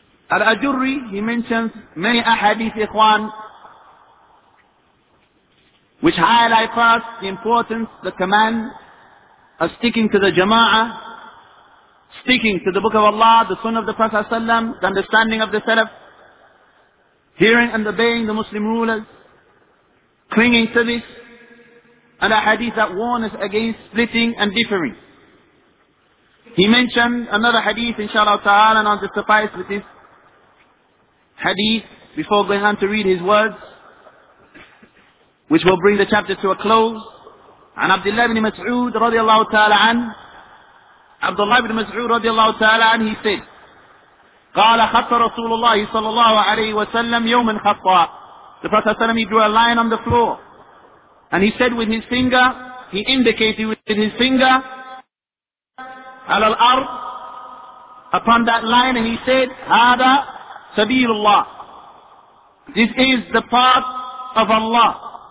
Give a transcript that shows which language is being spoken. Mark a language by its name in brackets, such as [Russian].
[English] Al-Ajuri, he mentions many ahadith, ikhwan, which highlight for us the importance, the command of sticking to the jama'ah, sticking to the Book of Allah, the Sunnah of the Prophet ﷺ, the understanding of the Salaf, hearing and obeying the Muslim rulers, clinging to this, and a hadith that warns us against splitting and differing. He mentioned another hadith, inshallah ta'ala, and I'll just suffice with this hadith before going on to read his words, which will bring the chapter to a close. [Arabic] عن عبد الله بن مسعود رضي الله تعالى عنه, عبد الله بن مسعود رضي الله تعالى عنه, [English] he said, [Arabic] قال خط رسول الله صلى الله عليه وسلم يوما خطا. [English] The Prophet صلى الله عليه وسلم, he drew a line on the floor, and he said with his finger, he indicated with his finger [Arabic] على الأرض, [English] upon that line, and he said, [Arabic] هذا سبيل الله, [English] this is the path of Allah.